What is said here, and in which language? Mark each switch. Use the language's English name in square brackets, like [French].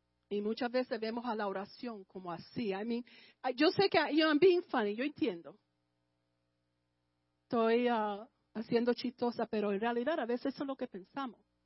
[Spanish] Y muchas veces vemos a la oración como así. [English] I mean, [Spanish] yo sé que, [English] you know, I'm being funny. [Spanish] Yo entiendo. Estoy haciendo chistosa, pero en realidad a veces eso es lo que pensamos.